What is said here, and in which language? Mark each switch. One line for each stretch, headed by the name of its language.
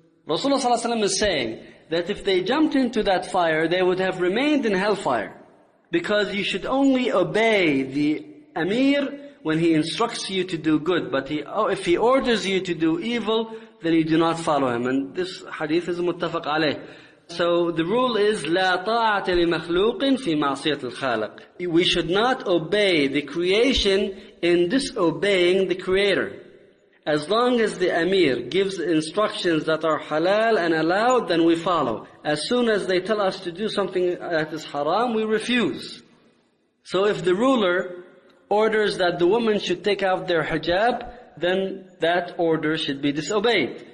English: Rasulullah sallallahu alaihi wasallam is saying that if they jumped into that fire, they would have remained in hellfire, because you should only obey the Amir when he instructs you to do good. But if he orders you to do evil, then you do not follow him. And this hadith is muttafaq alayh. So the rule is
Arabic: لا طاعة لمخلوق في معصية الخالق.
English: We should not obey the creation in disobeying the Creator. As long as the Amir gives instructions that are halal and allowed, then we follow. As soon as they tell us to do something that is haram, we refuse. So if the ruler orders that the woman should take off their hijab, then that order should be disobeyed.